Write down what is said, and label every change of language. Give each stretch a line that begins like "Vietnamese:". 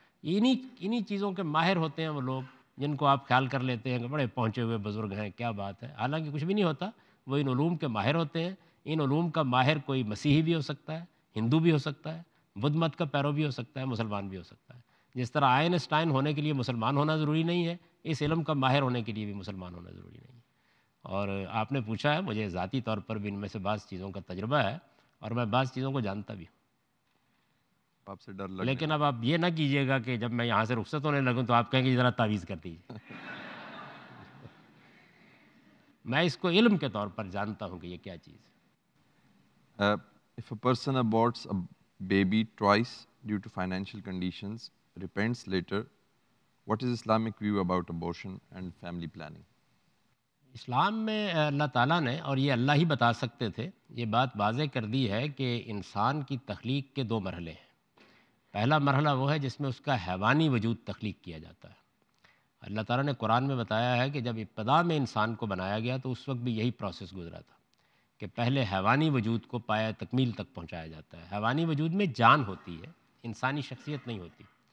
Urdu: انہی چیزوں کے ماہر ہوتے ہیں وہ لوگ، جن کو آپ خیال کر لیتے ہیں کہ بڑے پہنچے ہوئے بزرگ ہیں، کیا بات ہے، حالانکہ کچھ بھی نہیں ہوتا، وہ ان علوم کے ماہر ہوتے ہیں۔ ان علوم کا ماہر کوئی مسیحی بھی ہو سکتا ہے، ہندو بھی ہو سکتا ہے، بدھ مت کا پیرو بھی ہو سکتا ہے، مسلمان بھی ہو سکتا ہے۔ جس طرح آئنسٹائن ہونے کے لیے مسلمان ہونا ضروری نہیں ہے، اس علم کا ماہر ہونے کے لیے بھی مسلمان ہونا ضروری نہیں ہے۔ اور آپ نے پوچھا ہے، مجھے ذاتی طور پر بھی ان میں سے بعض چیزوں کا تجربہ ہے اور میں بعض چیزوں کو جانتا بھی ہوں۔ آپ سے ڈر لگ، لیکن اب آپ یہ نہ کیجیے گا کہ جب میں یہاں سے رخصت ہونے لگوں تو آپ کہیں کہ ذرا تعویذ کر دیجیے۔ میں اس کو علم کے طور پر جانتا ہوں کہ یہ کیا چیز ہے۔
English: If a person aborts a baby twice due to financial conditions, repents later, what is Islamic view about abortion and family planning?
Urdu: اسلام میں اللہ تعالیٰ نے، اور یہ اللہ ہی بتا سکتے تھے، یہ بات واضح کر دی ہے کہ انسان کی تخلیق کے دو مرحلے ہیں۔ پہلا مرحلہ وہ ہے جس میں اس کا حیوانی وجود تخلیق کیا جاتا ہے۔ اللہ تعالیٰ نے قرآن میں بتایا ہے کہ جب ابتدا میں انسان کو بنایا گیا تو اس وقت بھی یہی پروسیس گزرا تھا کہ پہلے حیوانی وجود کو پایا تکمیل تک پہنچایا جاتا ہے۔ حیوانی وجود میں جان ہوتی ہے، انسانی شخصیت نہیں ہوتی۔